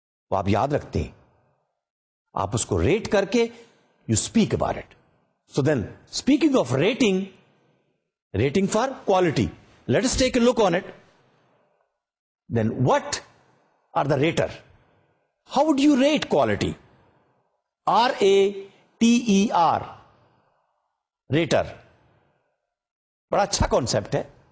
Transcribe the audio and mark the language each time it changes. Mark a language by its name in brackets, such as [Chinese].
[Urdu] وہ آپ یاد رکھتے ہیں، آپ اس کو ریٹ کر کے [English] You speak about it. So then speaking of rating, rating for quality, let's take a look on it. Then what are the rater, how do you rate quality? R A T E R, rater, [Urdu] بڑا اچھا concept ہے.